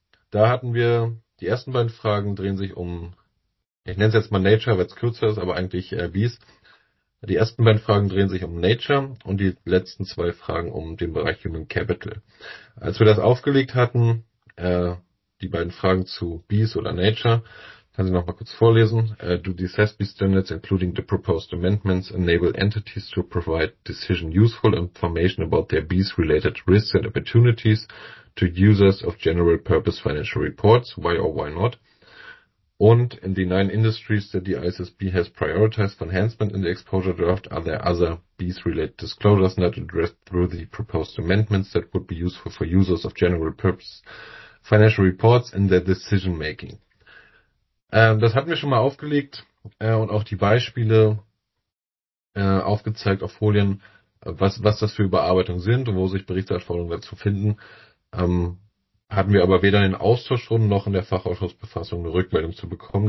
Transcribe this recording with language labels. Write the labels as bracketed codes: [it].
[de] Da hatten wir, die ersten beiden Fragen drehen sich um, ich nenne es jetzt mal Nature, weil es kürzer ist, aber eigentlich Bees. Die ersten beiden Fragen drehen sich um Nature und die letzten zwei Fragen um den Bereich Human Capital. Als wir das aufgelegt hatten, die beiden Fragen zu Bees oder Nature, kann ich noch mal kurz vorlesen. [en] Do the CESB standards, including the proposed amendments, enable entities to provide decision-useful information about their BEES-related risks and opportunities to users of general-purpose financial reports? Why or why not? Und in the nine industries that the ISSB has prioritized for enhancement in the exposure draft, are there other BEES-related disclosures not addressed through the proposed amendments that would be useful for users of general-purpose financial reports in their decision-making? [de] Das hatten wir schon mal aufgelegt und auch die Beispiele aufgezeigt auf Folien, was das für Überarbeitungen sind und wo sich Berichtsanforderungen dazu finden. Hatten wir aber weder in den Austauschrunden noch in der Fachausschussbefassung eine Rückmeldung zu bekommen.